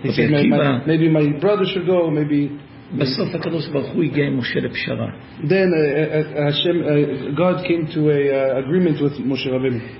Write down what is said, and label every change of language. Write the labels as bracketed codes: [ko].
[en] he said, maybe my brother should go. Maybe. [he] בסוף הקדוש ברוך הוא הגיע עם משה לפשרה. [en] Then Hashem, God came to a agreement with Moshe Rabbeinu.